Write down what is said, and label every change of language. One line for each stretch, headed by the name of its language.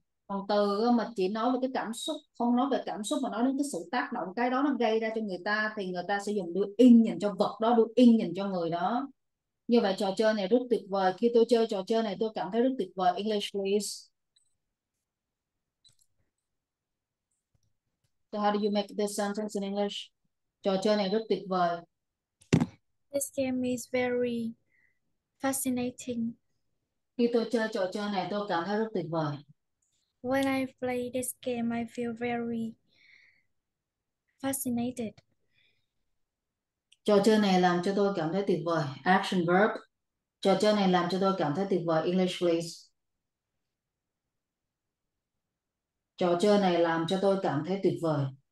Vietnamese: Còn từ mà chỉ nói về cái cảm xúc, không nói về cảm xúc mà nói đến cái sự tác động cái đó nó gây ra cho người ta, thì người ta sẽ dùng đuôi in dành cho vật đó, đuôi in dành cho người đó. Như vậy trò chơi này rất tuyệt vời. Khi tôi chơi trò chơi này tôi cảm thấy rất tuyệt vời.
English: English please. So how do you make this sentence in English?
Vietnamese: Trò chơi này rất tuyệt vời.
English: Very fascinating.
Vietnamese: Khi tôi chơi trò chơi này tôi cảm thấy rất tuyệt vời.
English: When I play this game, I feel very fascinated.
Vietnamese: Trò chơi này làm cho tôi cảm thấy tuyệt vời. Action verb. Trò chơi này làm cho tôi cảm thấy tuyệt vời.
English: English please.
Vietnamese: Trò chơi này làm cho tôi cảm thấy tuyệt vời.